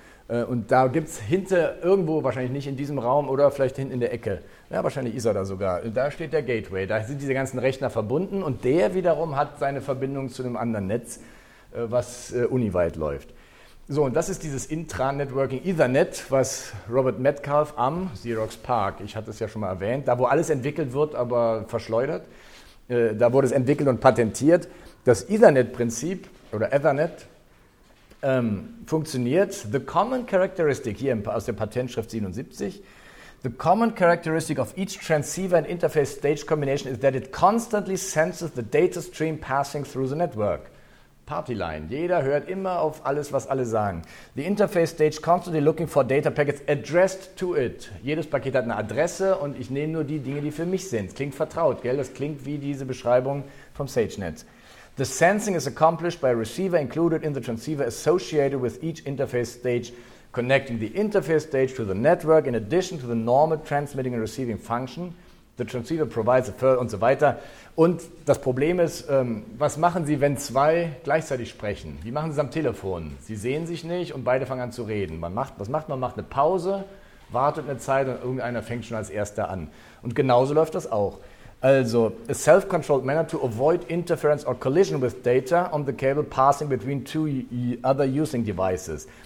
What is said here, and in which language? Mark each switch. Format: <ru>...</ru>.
<de>Und da gibt es hinter irgendwo, wahrscheinlich nicht in diesem Raum oder vielleicht hinten in der Ecke, ja, wahrscheinlich ist er da sogar, da steht der Gateway, da sind diese ganzen Rechner verbunden und der wiederum hat seine Verbindung zu einem anderen Netz, was uniweit läuft. So, und das ist dieses Intranetworking Ethernet, was Robert Metcalfe am Xerox PARC, ich hatte es ja schon mal erwähnt, da wo alles entwickelt wird, aber verschleudert, da wurde es entwickelt und patentiert. Das Ethernet-Prinzip oder Ethernet funktioniert.</de> <en>The common characteristic,</en> <de>hier aus der Patentschrift 77,</de> <en>the common characteristic of each transceiver and interface stage combination is that it constantly senses the data stream passing through the network.</en> <de>Partyline. Jeder hört immer auf alles, was alle sagen.</de> <en>The interface stage constantly looking for data packets addressed to it.</en> <de>Jedes Paket hat eine Adresse und ich nehme nur die Dinge, die für mich sind. Klingt vertraut, gell? Das klingt wie diese Beschreibung vom SageNet.</de> <en>The sensing is accomplished by a receiver included in the transceiver associated with each interface stage, connecting the interface stage to the network in addition to the normal transmitting and receiving function. The transceiver provides a further</en> <de>und so weiter. Und das Problem ist, was machen Sie, wenn zwei gleichzeitig sprechen? Wie machen Sie es am Telefon? Sie sehen sich nicht und beide fangen an zu reden. Man macht eine Pause, wartet eine Zeit und irgendeiner fängt schon als Erster an. Und genauso läuft das auch. Also,</de> <en>a self-controlled manner to avoid interference or collision with data on the cable passing between two other using devices.</en>